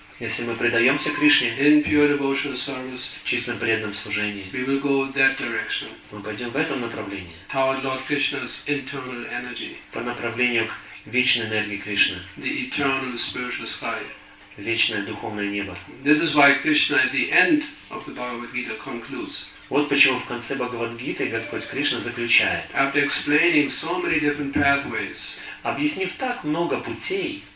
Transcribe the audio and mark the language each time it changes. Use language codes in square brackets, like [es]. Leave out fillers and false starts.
[ru] если мы предаемся Кришне, [en] in pure devotional service, [ru] в чистом преданном служении, [en] we will go that direction. [ru] Мы пойдем в этом направлении. [en] Toward Lord Krishna's internal energy, [ru] по направлению к вечной энергии Кришны, [en] the eternal spiritual sky. [ru] Вечное духовное небо. [en] This is why Krishna at the end of the Bhagavad Gita concludes. [ru] Вот почему в конце Бхагавад-гиты Господь Кришна заключает. [en] After explaining so many different pathways, [ru] объяснив так много путей,